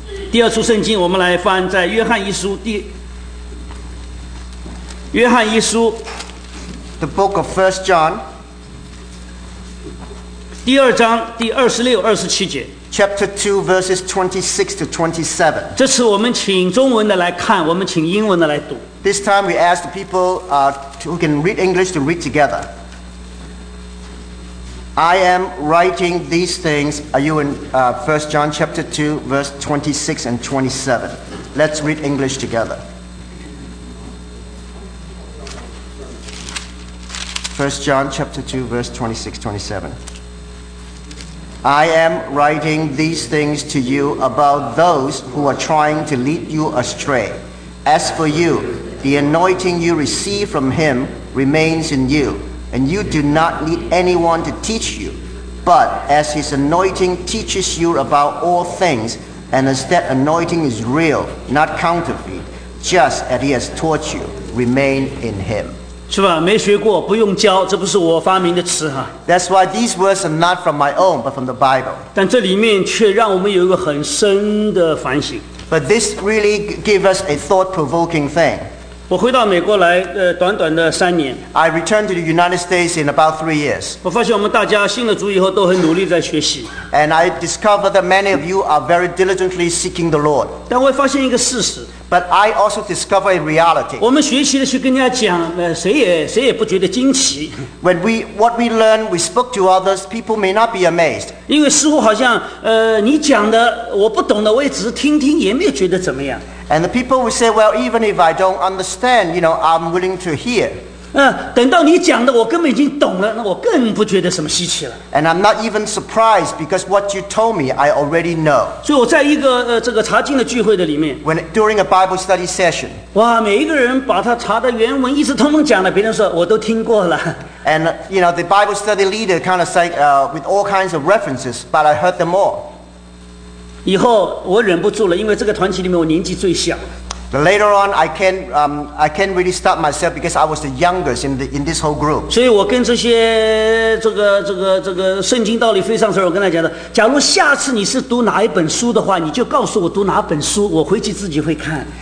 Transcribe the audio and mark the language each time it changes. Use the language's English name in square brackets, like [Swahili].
[Chinese] 第二处圣经我们来翻在约翰一书第约翰一书 [English] The book of First John [Chinese] 第二章第二十六二十七节 [English] Chapter 2 verses 26 to 27 [Chinese] 这次我们请中文的来看我们请英文的来读 [English] This time we ask the people who can read English to read together I am writing these things. Are you in 1 John chapter 2, verse 26 and 27? Let's read English together. 1 John chapter 2, verse 26, 27. I am writing these things to you about those who are trying to lead you astray. As for you, the anointing you receive from him remains in you. And you do not need anyone to teach you, but as his anointing teaches you about all things, and as that anointing is real, not counterfeit, just as he has taught you, remain in him. [Chinese] 是吧？没学过，不用教，这不是我发明的词哈。 [English] That's why these words are not from my own, but from the Bible. [Chinese] 但这里面却让我们有一个很深的反省。 [English] But this really gives us a thought-provoking thing. [Chinese] 我回到美国来，短短的三年。 [English] I returned to the United States in about 3 years. [Chinese] 我发现我们大家信了主以后都很努力在学习。 [English] And I discovered that many of you are very diligently seeking the Lord. [Chinese] 但我发现一个事实。 [English] But I also discovered a reality. [Chinese] 我们学习的去跟人家讲，谁也不觉得惊奇。 [English] When we learn, we spoke to others, people may not be amazed. [Chinese] 因为似乎好像，你讲的我不懂的，我也只是听听，也没有觉得怎么样。 [English] And the people would say, well, even if I don't understand, you know, I'm willing to hear. [Chinese] 等到你讲的我根本已经懂了，那我更不觉得什么稀奇了。 [English] And I'm not even surprised because what you told me, I already know. [Chinese] 所以我在一个这个查经的聚会的里面。 [English] When during a Bible study session. [Chinese] 哇，每一个人把他查的原文一直通通讲了，别人说我都听过了。 [English] And, you know, the Bible study leader kind of said, with all kinds of references, but I heard them all. [Chinese] 以后我忍不住了，因为这个团体里面我年纪最小。 [English] Later on, I can't really stop myself because I was the youngest in this whole group. [Chinese] 所以我跟这些这个圣经道理非常熟，我跟他讲的，假如下次你是读哪一本书的话，你就告诉我读哪本书，我回去自己会看。